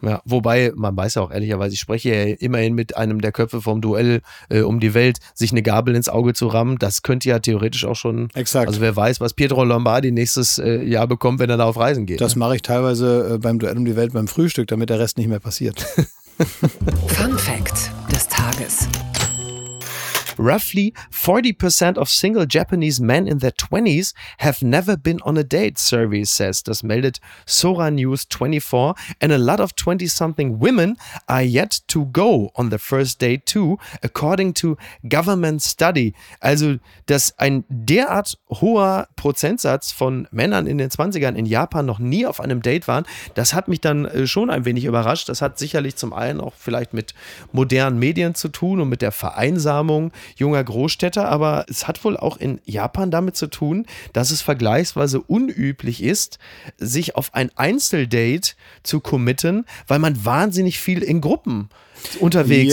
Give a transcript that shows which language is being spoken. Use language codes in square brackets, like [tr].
[de] Ja, wobei, man weiß ja auch ehrlicherweise, ich spreche ja immerhin mit einem der Köpfe vom Duell um die Welt, sich eine Gabel ins Auge zu rammen, das könnte ja theoretisch auch schon, exakt. Also wer weiß, was Pietro Lombardi nächstes Jahr bekommt, wenn er da auf Reisen geht. Das mache ich teilweise beim Duell um die Welt beim Frühstück, damit der Rest nicht mehr passiert. Fun Fact des Tages. [en] roughly 40% of single Japanese men in their 20s have never been on a date, survey says. [de] Das meldet [en] Sora News 24. And a lot of 20-something women are yet to go on the first date too, according to government study. [de] Also, dass ein derart hoher Prozentsatz von Männern in den 20ern in Japan noch nie auf einem Date waren, das hat mich dann schon ein wenig überrascht. Das hat sicherlich zum einen auch vielleicht mit modernen Medien zu tun und mit der Vereinsamung junger Großstädter, aber es hat wohl auch in Japan damit zu tun, dass es vergleichsweise unüblich ist, sich auf ein Einzeldate zu committen, weil man wahnsinnig viel in Gruppen unterwegs